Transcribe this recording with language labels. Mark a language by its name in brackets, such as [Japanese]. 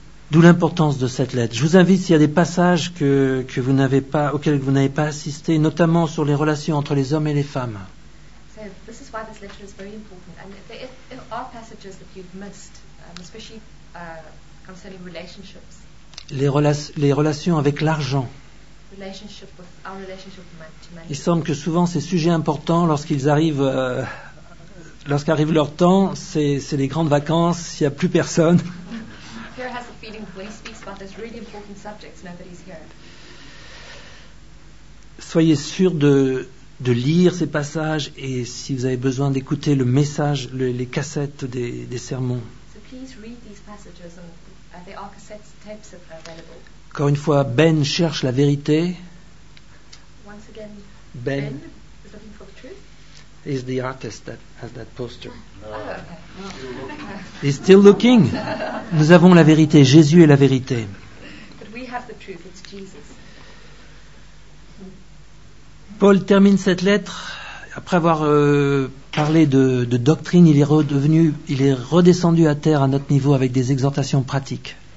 [French] D'où l'importance de cette lettre. Je vous invite, s'il y a des passages que vous n'avez pas, auxquels vous n'avez pas assisté, notamment sur les relations entre les hommes et les femmes. [English] This is why this lecture is very important. And there are passages that you've missed, especially concerning relationships. [French] Les relations avec l'argent. [English] Relationship with our relationship to money. [French] Il semble que souvent ces sujets importants, lorsqu'arrive leur temps, c'est les grandes vacances, il n'y a plus personne. [English] Pierre has the feeling when he speaks about this really important subject, nobody's here. [French] Soyez sûr de lire ces passages et si vous avez besoin d'écouter le message, les cassettes des sermons. [English] So please read these passages and there are cassettes, tapes available. [French] Encore une fois, Ben cherche la vérité. [English] Once again, Ben is looking for the truth. Is the artist that has that poster. Oh, okay. He's still looking. [French] Nous avons la vérité, Jésus est la vérité. [English] But we have the truth, it's Jesus. [French] Paul termine cette lettre après avoir parlé de doctrine. Il est redescendu à terre à notre niveau avec des exhortations pratiques.